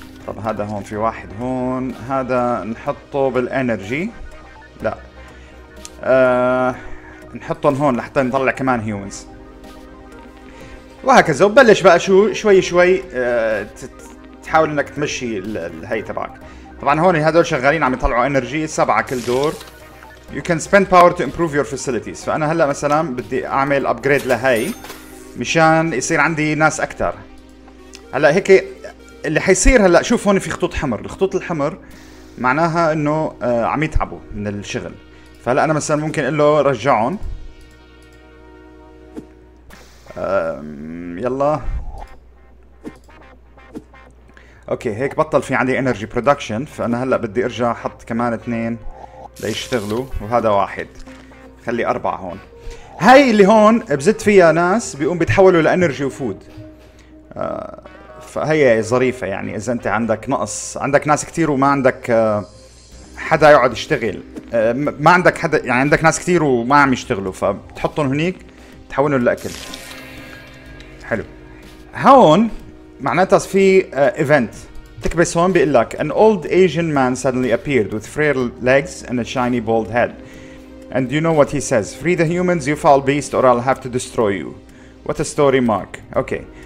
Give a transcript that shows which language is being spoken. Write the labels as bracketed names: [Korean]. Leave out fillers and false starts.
[Arabic] طب هذا هون في واحد هون، هذا نحطه بالانرجي، لا نحطهم هون لحتى نطلع كمان هيومنز، وهكذا. وبلش بقى شو شوي شوي تحاول انك تمشي الهي تبعك. طبعا هون هذول شغالين عم يطلعوا انرجي، سبعة كل دور. [English] You can spend power to improve your facilities. [Arabic] فانا هلا مثلا بدي اعمل upgrade لهي مشان يصير عندي ناس اكتر. هلا هيك اللي حيصير، هلا شوف هون في خطوط حمر، الخطوط الحمر معناها انه عم يتعبوا من الشغل. فهلا انا مثلا ممكن اقول له رجعهم، يلا اوكي هيك بطل في عندي [English] Energy production. [Arabic] فانا هلا بدي ارجع احط كمان اثنين ليشتغلوا، وهذا واحد، خلي اربعة هون. هاي اللي هون بزت فيها ناس بيقوم بيتحولوا لانرجي وفود. فهي ظريفة يعني، اذا انت عندك نقص، عندك ناس كتير وما عندك حدا يقعد يشتغل، ما عندك حدا يعني، عندك ناس كتير وما عم يشتغلوا، فبتحطهم هنيك تحولهم لأكل. حلو. هون معناتها في event تكبس هون، بيقلك [English] an old Asian man suddenly appeared with frail legs and a shiny bald head and you know what he says: free the humans you foul beast or I'll have to destroy you. What a story, Mark. Okay.